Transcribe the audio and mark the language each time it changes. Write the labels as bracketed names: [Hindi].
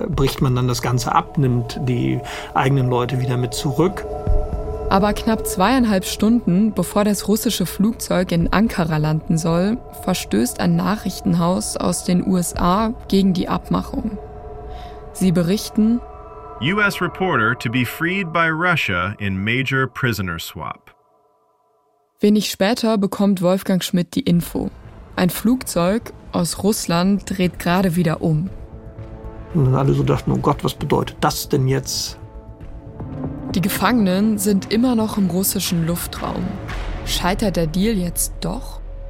[German] Bricht man dann das Ganze ab, nimmt die eigenen Leute wieder mit zurück? Aber knapp 2,5 Stunden, bevor das russische Flugzeug in Ankara landen soll, verstößt ein Nachrichtenhaus aus den USA gegen die Abmachung. Sie berichten: [English] US reporter to be freed by Russia in major prisoner swap. [German] Wenig später bekommt Wolfgang Schmidt die Info. Ein Flugzeug aus Russland dreht gerade wieder um. Und dann alle so dachten, oh Gott, was bedeutet das denn jetzt? Die Gefangenen sind immer noch im russischen Luftraum. Scheitert der Deal jetzt doch?